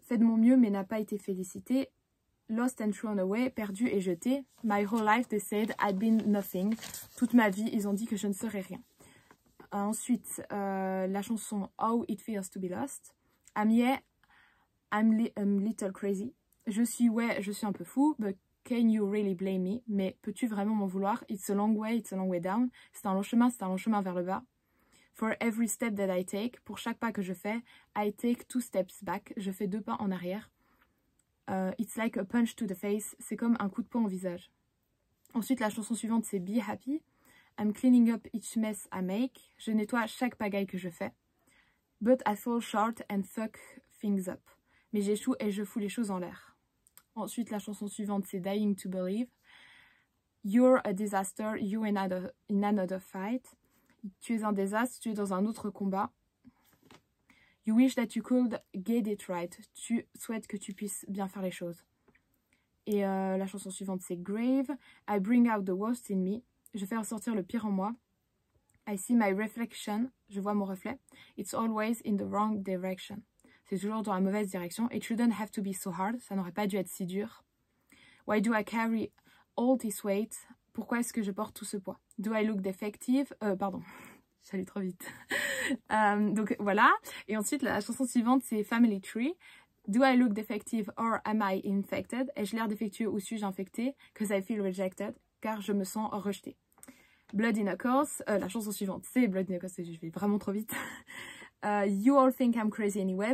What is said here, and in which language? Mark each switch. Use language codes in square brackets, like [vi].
[fr] Fait de mon mieux mais n'a pas été félicité. [en] Lost and thrown away, [fr] perdu et jeté. [en] My whole life they said I'd been nothing. [fr] Toute ma vie, ils ont dit que je ne serais rien. Ensuite, la chanson How It Feels to Be Lost. [en] I'm little crazy. [fr] Je suis un peu fou, [en] but can you really blame me? [fr] Mais peux-tu vraiment m'en vouloir? [en] It's a long way down. [fr] C'est un long chemin vers le bas. [en] For every step that I take, [fr] pour chaque pas que je fais, [en] I take two steps back, [fr] je fais deux pas en arrière. [en] It's like a punch to the face, [fr] c'est comme un coup de poing au visage. Ensuite, la chanson suivante, c'est Be Happy. [en] I'm cleaning up each mess I make, [fr] je nettoie chaque pagaille que je fais. [en] But I fall short and fuck things up, [fr] mais j'échoue et je fous les choses en l'air. Ensuite, la chanson suivante, c'est Dying to Believe. [en] You're a disaster, you and in another fight. [fr] Tu es un désastre, tu es dans un autre combat. [en] You wish that you could get it right. [fr] Tu souhaites que tu puisses bien faire les choses. Et la chanson suivante, c'est Grave. [en] I bring out the worst in me. [fr] Je fais ressortir le pire en moi. [en] I see my reflection. [fr] Je vois mon reflet. [en] It's always in the wrong direction. [fr] C'est toujours dans la mauvaise direction. [en] It shouldn't have to be so hard. [fr] Ça n'aurait pas dû être si dur. [en] Why do I carry all this weight? [fr] Pourquoi est-ce que je porte tout ce poids? [en] Do I look defective? [fr] Pardon, j'allais trop vite. Donc voilà. Et ensuite, la chanson suivante, c'est Family Tree. [en] Do I look defective or am I infected? [fr] Ai-je l'air défectueux ou suis-je infectée? [en] Because I feel rejected. [fr] Car je me sens rejetée. Blood in a course. La chanson suivante, c'est Blood in a course. Je vais vraiment trop vite. [en] You all think I'm crazy anyway.